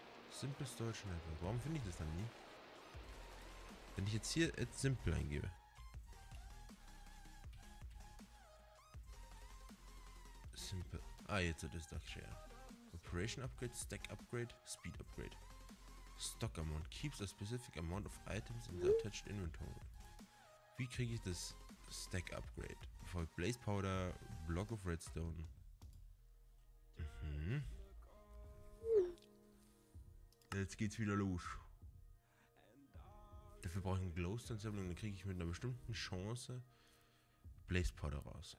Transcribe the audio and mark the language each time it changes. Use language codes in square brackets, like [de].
[de] Simple Storage Network. Warum finde ich das dann nie? Wenn ich jetzt hier Add Simple eingebe. Simple. Ah, jetzt hat es doch Share. [en] Operation Upgrade, Stack Upgrade, Speed Upgrade. Stock Amount. Keeps a specific amount of items in the attached inventory. [de] Wie kriege ich das Stack Upgrade? Folgt Blaze Powder, Block of Redstone. Mhm. Jetzt geht's wieder los. Dafür brauche ich einen Glowstone Sample und dann kriege ich mit einer bestimmten Chance Blaze Powder raus.